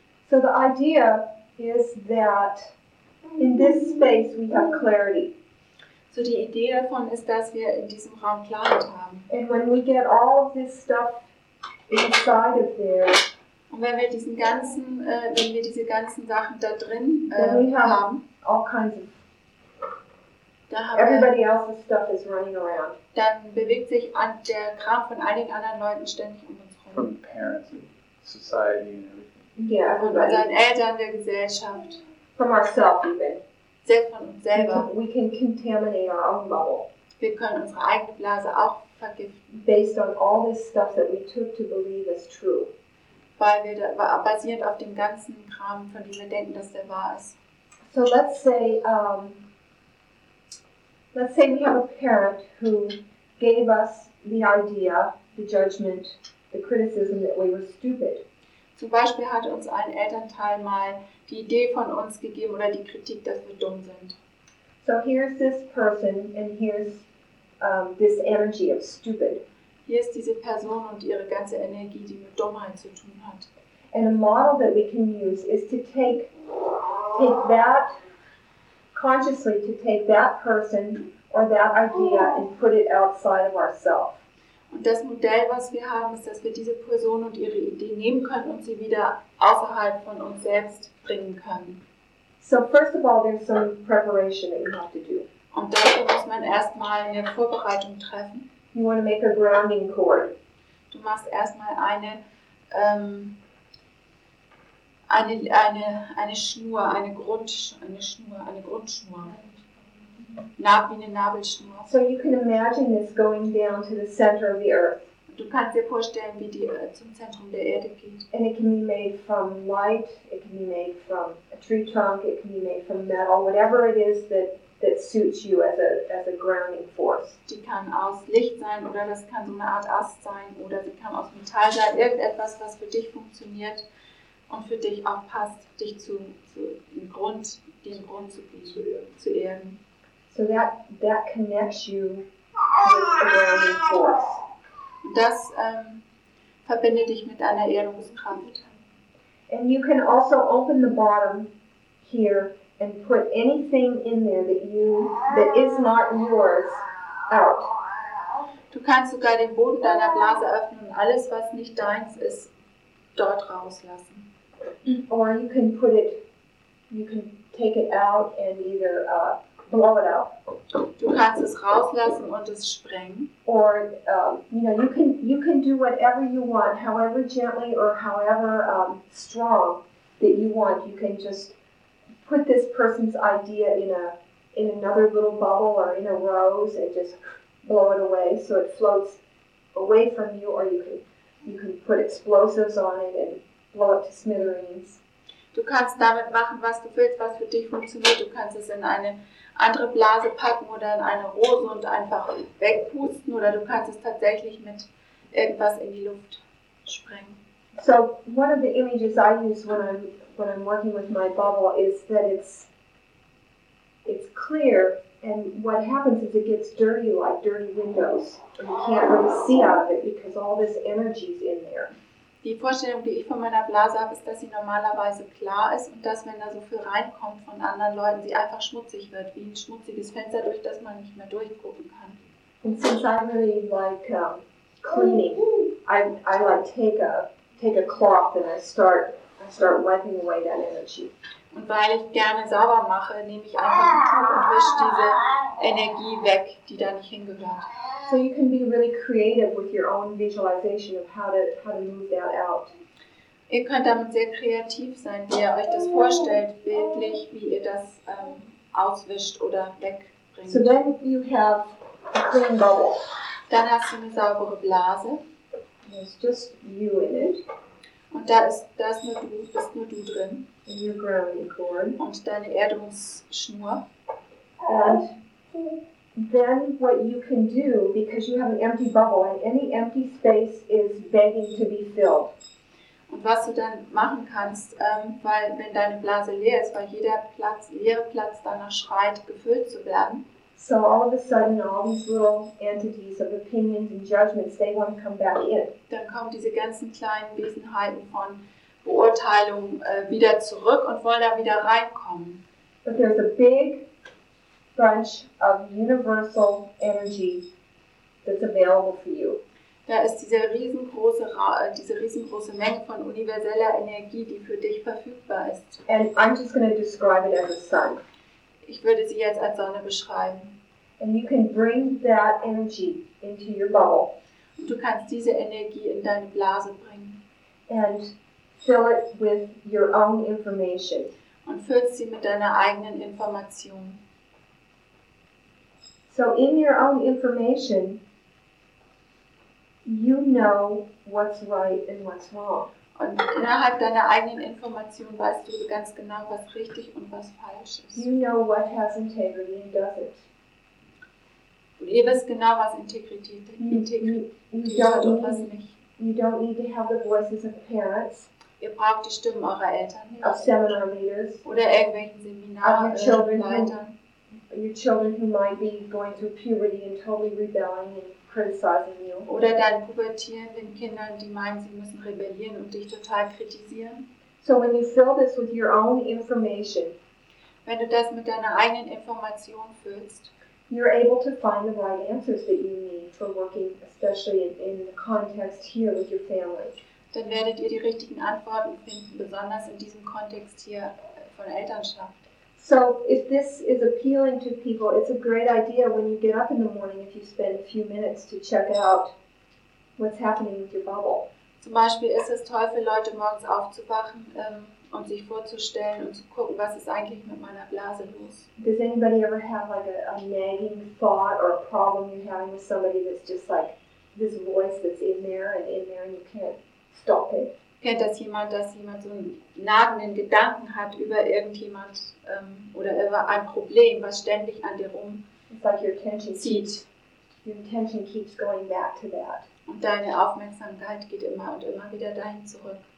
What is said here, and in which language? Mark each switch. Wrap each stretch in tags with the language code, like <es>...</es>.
<en>So the idea is that in this space we have clarity.</en> <de>So die Idee davon ist, dass wir in diesem Raum Klarheit haben.</de> <en>And when we get all of this stuff inside of there,</en> <de>und wenn wir diesen ganzen, wenn wir diese ganzen Sachen da drin haben,</de> <en>all kinds of,</en> <de>da haben</de> <en>everybody else's stuff is running around.</en> <de>Dann bewegt sich an der Kram von all den anderen Leuten ständig um uns herum.</de> <en>From parents and society and everything. Yeah,</en> <de>von unseren Eltern, der Gesellschaft.</de> <en>From ourselves even.</en> <de>Selbst von uns selber.</de> <en>We can contaminate our own bubble.</en> <de>Wir können unsere eigene Blase auch vergiften.</de> <en>Based on all this stuff that we took to believe is true.</en> <de>Weil wir basierend auf dem ganzen Kram, von dem wir denken, dass der wahr ist.</de> <en>So let's say we have a parent who gave us the idea, the judgment, the criticism that we were stupid.</en> <de>Zum Beispiel hat uns ein Elternteil mal die Idee von uns gegeben oder die Kritik, dass wir dumm sind.</de> <en>So here's this person and here's this energy of stupid.</en> <de>Hier ist diese Person und ihre ganze Energie, die mit Dummheit zu tun hat.</de> <en>And a model that we can use is to take that consciously, to take that person or that idea and put it outside of ourselves.</en> <de>Und das Modell, was wir haben, ist, dass wir diese Person und ihre Idee nehmen können und sie wieder außerhalb von uns selbst bringen können.</de> <en>So first of all, there's some preparation that you have to do.</en> <de>Und dafür muss man erstmal eine Vorbereitung treffen.</de> <en>You want to make a grounding cord.</en> <de>Du machst erstmal eine Grundschnur. Wie eine Nabelschnur.</de> <en>So you can imagine this going down to the center of the earth.</en> <de>Du kannst dir vorstellen, wie die zum Zentrum der Erde geht.</de> <en>And it can be made from light, it can be made from a tree trunk, it can be made from metal, whatever it is that that suits you as a grounding force.</en> <de>Die kann aus Licht sein oder das kann so eine Art Ast sein oder sie kann aus Metall sein, irgendetwas, was für dich funktioniert und für dich auch passt, dich zu Grund, den Grund zu geben, zu ehren.</de> <en>So that connects you with the grounding force.</en> <de>Das verbinde dich mit einer Erdungskraft.</de> <en>And you can also open the bottom here and put anything in there that is not yours out.</en> <de>Du kannst sogar den Boden deiner Blase öffnen und alles, was nicht deins ist, dort rauslassen.</de> <en>Or you can take it out and either blow it out.</en> <de>Du kannst es rauslassen und es sprengen.</de> <en>Or you can do whatever you want, however gently or however strong that you want. You can just put this person's idea in another little bubble or in a rose and just blow it away so it floats away from you, or you can put explosives on it and blow it to smithereens.</en> <de>Du kannst damit machen, was du willst, was für dich funktioniert. Du kannst es in eine andere Blase packen oder in eine Rose und einfach wegpusten, oder du kannst es tatsächlich mit irgendwas in die Luft sprengen.</de> <en>So one of the images I use when I'm working with my bubble is that it's clear, and what happens is it gets dirty like dirty windows. You can't really see out of it because all this energy is in there.</en> <de>Die Vorstellung, die ich von meiner Blase habe, ist, dass sie normalerweise klar ist und dass, wenn da so viel reinkommt von anderen Leuten, sie einfach schmutzig wird, wie ein schmutziges Fenster, durch das man nicht mehr durchgucken kann.</de> <en>And since I really like cleaning, I like take a cloth and I start wiping away that energy.</en> <de>Und weil ich gerne sauber mache, nehme ich einfach ein Tuch und wisch diese Energie weg, die da nicht hingehört.</de> <en>So you can be really creative with your own visualization of how to move that out.</en> <de>Ihr könnt damit sehr kreativ sein, wie ihr euch das vorstellt, bildlich, wie ihr das auswischt oder wegbringt.</de> <en>So then you have a clean bubble.</en> <de>Dann hast du eine saubere Blase.</de> <en>And it's just you in it.</en> <de>Und da ist nur du, bist nur du drin.</de> <en>And your grounding cord.</en> <de>Und deine Erdungsschnur.</de> <en>And then what you can do, because you have an empty bubble, and any empty space is begging to be filled.</en> <de>Und was du dann machen kannst, weil wenn deine Blase leer ist, weil jeder Platz, leere Platz danach schreit, gefüllt zu werden.</de> <en>So all of a sudden, all these little entities of opinions and judgments, they want to come back in.</en> <de>Dann kommen diese ganzen kleinen Wesenheiten von Beurteilung wieder zurück und wollen da wieder reinkommen.</de> <en>But there's a big bunch of universal energy that's available for you.</en> <de>Da ist diese riesengroße Menge von universeller Energie, die für dich verfügbar ist.</de> <en>And I'm just going to describe it as a sun.</en> <de>Ich würde sie jetzt als Sonne beschreiben.</de> <en>And you can bring that energy into your bubble.</en> <de>Und du kannst diese Energie in deine Blase bringen.</de> <en>And fill it with your own information.</en> <de>Und füllst sie mit deiner eigenen Information.</de> <en>So in your own information, you know what's right and what's wrong.</en> <de>Und innerhalb deiner eigenen Information weißt du ganz genau, was richtig und was falsch ist.</de> <en>You know what has integrity and doesn't.</en> <de>Und ihr wisst genau, was Integrität ist und was nicht.</de> <en>You don't need to have the voices of parents.</en> <de>Ihr braucht die Stimmen eurer Eltern nicht.</de> <en>Of seminar leaders.</en> <de>Oder irgendwelchen Seminarleitern.</de> <en>Your children who might be going through puberty and totally rebelling and criticizing you.</en> <de>Oder deinen pubertierenden Kindern, die meinen, sie müssen rebellieren und dich total kritisieren.</de> <en>So when you fill this with your own information,</en> <de>wenn du das mit deiner eigenen Information füllst,</de> <en>you're able to find the right answers that you need for working, especially in the context here with your family.</en> <de>Dann werdet ihr die richtigen Antworten finden, besonders in diesem Kontext hier von Elternschaft.</de> <en>So if this is appealing to people, it's a great idea when you get up in the morning, if you spend a few minutes to check out what's happening with your bubble.</en> <de>Zum Beispiel ist es toll für Leute, morgens aufzuwachen und sich vorzustellen und zu gucken, was ist eigentlich mit meiner Blase los.</de> <en>Does anybody ever have like a nagging thought or a problem you're having with somebody that's just like this voice that's in there and you can't stop it?</en> <de>kennt das jemand, dass jemand so einen nagenden Gedanken hat über irgendjemand oder über ein Problem, was ständig an dir rumzieht.</de> <en>Your attention keeps going back to that.</en> <de>Und deine Aufmerksamkeit geht immer und immer wieder dahin zurück.</de>